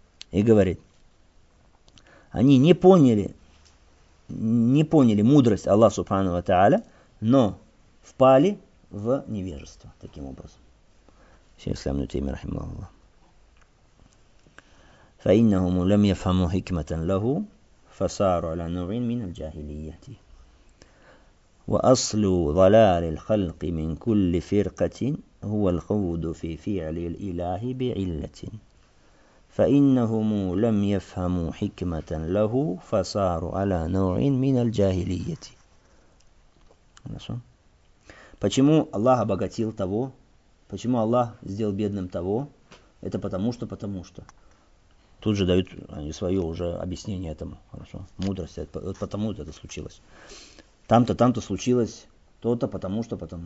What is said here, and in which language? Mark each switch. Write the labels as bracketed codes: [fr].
[ru] И говорит, они не поняли мудрость Аллаха Субхану ва Тааля, но впали в невежество таким образом. Шейх Ислам Ибн Таймия рахимахуллах. [ar] فإنهم لم يفهموا حكمة له فصاروا على نوع من الجاهلية. وأصل ضلال الخلق من كل فرقة هو الخوض في فعل الإله بعلة. فإنهم لم يفهموا حكمة له فصاروا على نوع من الجاهلية. [ru] Почему Аллах обогатил того? Почему Аллах сделал бедным того? Это потому что. Тут же дают они свое уже объяснение этому. Хорошо. Мудрость. Вот потому это случилось. Там-то случилось. То-то потому что.